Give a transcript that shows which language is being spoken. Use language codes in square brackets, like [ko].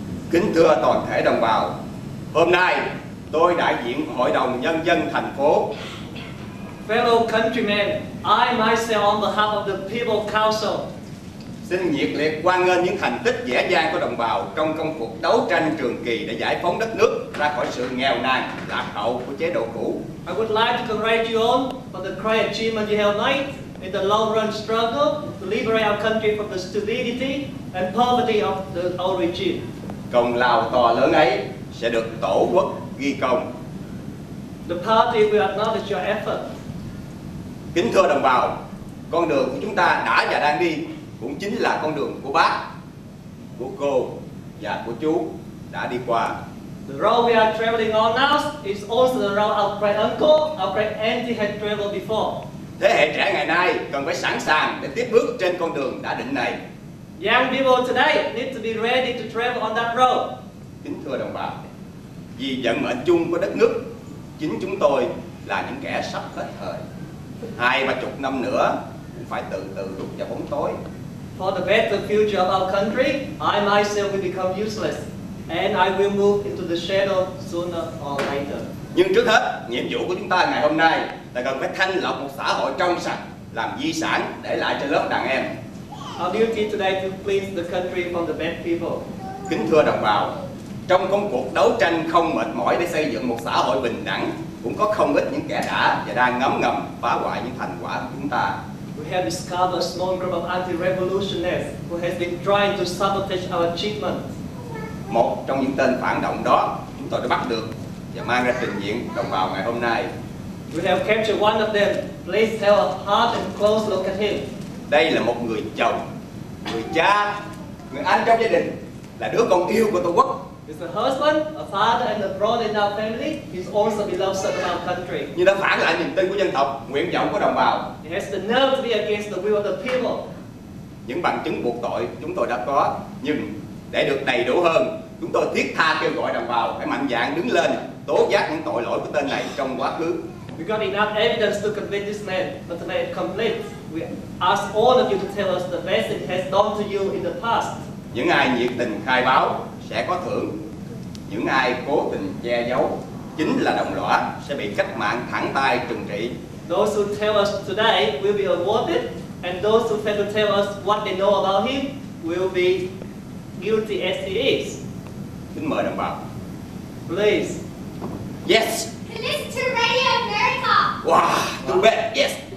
[vi] Kính thưa toàn thể đồng bào, hôm nay tôi đại diện Hội đồng Nhân dân thành phố. [en] Fellow countrymen, I myself on behalf of the People Council. [vi] Xin nhiệt liệt hoan nghênh những thành tích dễ dàng của đồng bào trong công cuộc đấu tranh trường kỳ để giải phóng đất nước ra khỏi sự nghèo nàn, lạc hậu của chế độ cũ. [en] I would like to congratulate you all for the great achievement you have made in the long run struggle to liberate our country from the stupidity and poverty of the old regime. [vi] Công lao to lớn ấy sẽ được Tổ quốc ghi công. [en] The party will acknowledge your effort. [vi] Kính thưa đồng bào, con đường của chúng ta đã và đang đi cũng chính là con đường của bác, của cô và của chú đã đi qua. [en] The road we are traveling on now is also the road our great uncle, our great auntie had traveled before. [vi] Thế hệ trẻ ngày nay cần phải sẵn sàng để tiếp bước trên con đường đã định này. [en] Young people today need to be ready to travel on that road. [vi] Kính thưa đồng bào, vì vận mệnh chung của đất nước, chính chúng tôi là những kẻ sắp hết thời. 20-30 năm nữa cũng phải từ từ rút vào bóng tối. [en] For the better future of our country, I myself will become useless, and I will move into the shadow sooner or later. [vi] Nhưng trước hết, nhiệm vụ của chúng ta ngày hôm nay là cần phải thanh lọc một xã hội trong sạch, làm di sản để lại cho lớp đàn em. [en] Our duty today to please the country from the bad people. [vi] Kính thưa đồng bào, trong công cuộc đấu tranh không mệt mỏi để xây dựng một xã hội bình đẳng, cũng có không ít những kẻ đã và đang ngấm ngầm phá hoại những thành quả của chúng ta. [en] We have discovered a small group of anti-revolutionists who has been trying to sabotage our achievements. [vi] Một trong những tên phản động đó, chúng tôi đã bắt được và mang ra trình diện đồng bào ngày hôm nay. [en] We have captured one of them. Please have a hard and close look at him. [vi] Đây là một người chồng, người cha, người anh trong gia đình, là đứa con yêu của Tổ quốc. [en] He's a husband, a father, and a brother in our family. He's also a beloved son of our country. [vi] Nhưng đã phản lại niềm tin của dân tộc, nguyện vọng của đồng bào. [en] He has the nerve to be against the will of the people. [vi] Những bằng chứng buộc tội chúng tôi đã có, nhưng để được đầy đủ hơn, chúng tôi thiết tha kêu gọi đồng bào phải mạnh dạn đứng lên tố giác những tội lỗi của tên này trong quá khứ. [en] We got enough evidence to convict this man, but to make it complete, we ask all of you to tell us the best it has done to you in the past. [vi] Những ai nhiệt tình khai báo sẽ có thưởng. Những ai cố tình che giấu, chính là đồng lõa, sẽ bị cách mạng thẳng tay trừng trị. [en] Those who tell us today will be awarded, and those who fail to tell us what they know about him will be guilty as he is. [vi] Kính mời đồng bào. [en] Please. Yes. Listen to Radio America. Wow, too bad. Yes.